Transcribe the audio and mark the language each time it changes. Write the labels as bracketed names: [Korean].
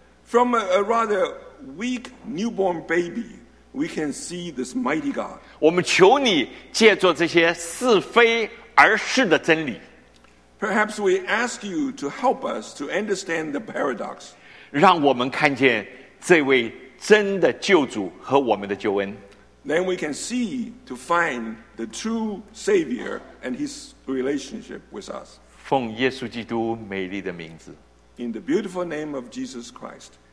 [English] From a rather weak newborn baby, we can see this mighty God. [Chinese] 我们求你借助这些是非而是的真理。 [English] Perhaps we ask you to help us to understand the paradox. [Chinese] 让我们看见这位真的救主和我们的救恩。 [English] Then we can see to find the true Savior and His relationship with us. [Chinese] 奉耶稣基督美丽的名字。 [English] In the beautiful name of Jesus Christ.